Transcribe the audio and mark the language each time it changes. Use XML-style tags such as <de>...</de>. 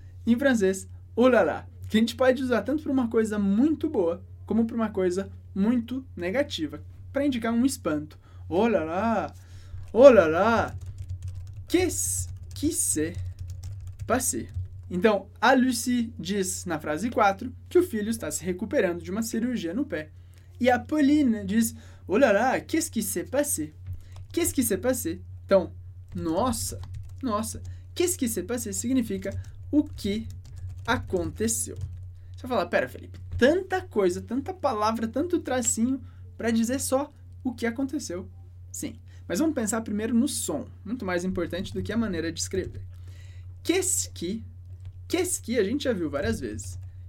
<pt>Em francês, oh là là. Que a gente pode usar tanto para uma coisa muito boa, como para uma coisa muito negativa, para indicar um espanto.</pt> <fr>Oh là là! Oh là là! Qu'est-ce qui s'est passé?</fr> <pt>Então, a Lucie diz na frase 4 que o filho está se recuperando de uma cirurgia no pé. E a Pauline diz,</pt> <fr>oh là là, qu'est-ce qui s'est passé? Qu'est-ce qui s'est passé?</fr> <pt>Então, nossa, nossa,</pt> <fr>qu'est-ce qui s'est passé</fr> <pt>significa o que aconteceu. Você vai falar, pera, Felipe, tanta coisa, tanta palavra, tanto tracinho para dizer só o que aconteceu. Sim, mas vamos pensar primeiro no som, muito mais importante do que a maneira de escrever.</pt> <fr>Qu'est-ce qui,</fr> <pt>a gente já viu várias vezes.</pt>